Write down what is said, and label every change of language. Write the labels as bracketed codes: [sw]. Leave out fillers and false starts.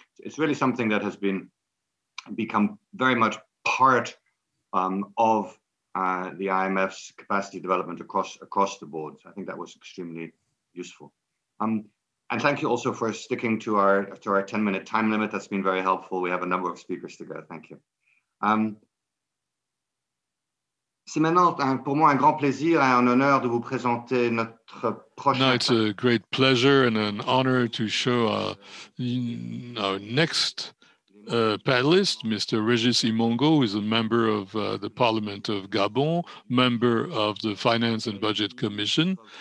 [en] It's really something that has become very much part of the IMF's capacity development across the board. So I think that was extremely useful. And thank you also for sticking to our 10-minute time limit. That's been very helpful. We have a number of speakers to go. Thank you. [fr] C'est maintenant pour moi un grand plaisir et un honneur de vous présenter notre prochain. [en] Now it's a great pleasure and an honor to show our next panelist, Mr. Régis Imongo, who is a member of the Parliament of Gabon, member of the Finance and Budget Commission.